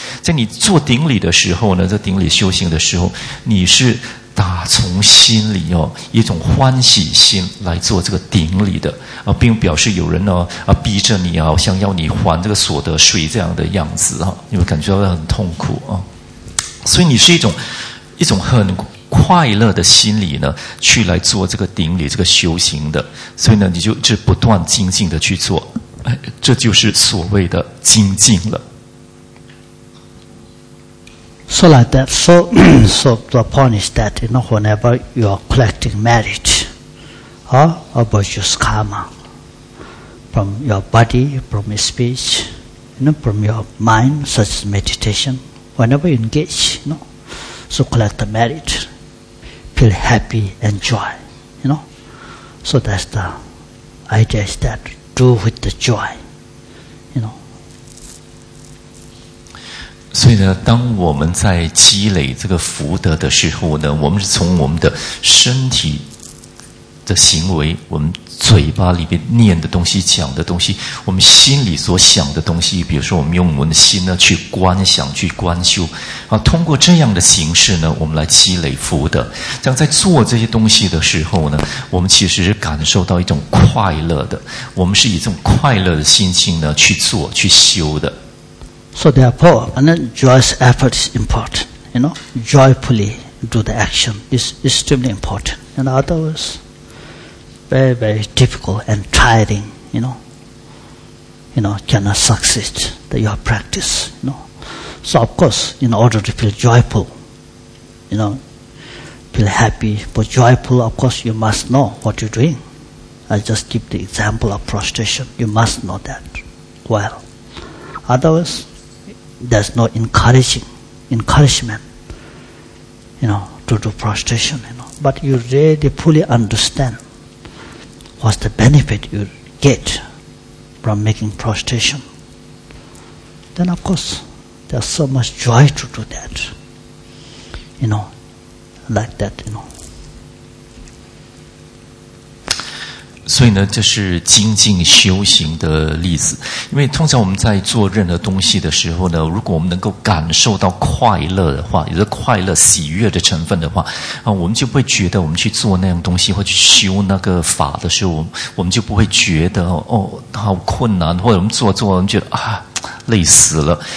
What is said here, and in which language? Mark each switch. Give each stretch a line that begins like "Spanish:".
Chinese: 在你做顶礼的时候呢，在顶礼修行的时候，你是打从心里哦，一种欢喜心来做这个顶礼的并表示有人呢逼着你啊，想要你还这个所得税这样的样子啊，你会感觉到很痛苦啊。所以你是一种很快乐的心理呢，去来做这个顶礼这个修行的。所以呢，你就一直不断精进的去做，这就是所谓的精进了。
English: So like that, so the point is that, you know, whenever you are collecting merit, about your karma, from your body, from your speech, you know, from your mind, such as meditation, whenever you engage, you know, so collect the merit, feel happy and joy, you know. So that's the idea, is that do with the joy.
Chinese: 所以呢，当我们在积累这个福德的时候呢，我们是从我们的身体的行为，我们嘴巴里面念的东西、讲的东西，我们心里所想的东西，比如说我们用我们的心呢去观想、去观修通过这样的形式呢，我们来积累福德。这样在做这些东西的时候呢，我们其实是感受到一种快乐的，我们是以这种快乐的心情呢去做、去修的。
English: So therefore, and then joy's effort is important, you know, joyfully do the action is extremely important. In other words, very, very difficult and tiring, you know, cannot succeed that your practice, you know. So of course, in order to feel joyful, you know, feel happy, but joyful, of course, you must know what you're doing. I just give the example of prostration. You must know that well. Otherwise,there's no encouragement, you know, to do prostration, you know. But you really fully understand what's the benefit you get from making prostration. Then, of course, there's so much joy to do that, you know, like that, you know.
Chinese: 所以呢，这是精进修行的例子。因为通常我们在做任何东西的时候呢，如果我们能够感受到快乐的话，有着快乐喜悦的成分的话我们就不会觉得我们去做那样东西或去修那个法的时候，我们就不会觉得好困难，或者我们做我们觉得累死了。